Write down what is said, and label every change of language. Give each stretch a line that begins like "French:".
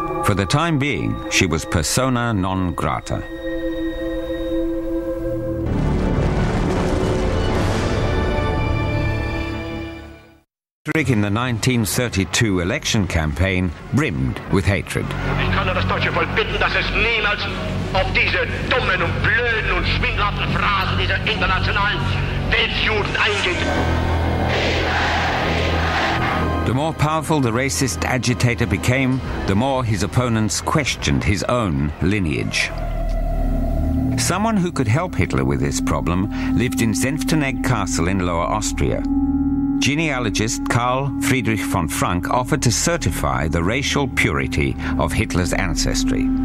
English: For the time being, she was persona non grata. Rick in the 1932 election campaign brimmed with hatred.
German: Ich kann das deutsche Volk bitten, dass es niemals auf diese dummen und blöden und schwindlerten Phrasen dieser internationalen Weltjuden eingeht.
English: The more powerful the racist agitator became, the more his opponents questioned his own lineage. Someone who could help Hitler with this problem lived in Senftenegg Castle in Lower Austria. Genealogist Karl Friedrich von Frank offered to certify the racial purity of Hitler's ancestry.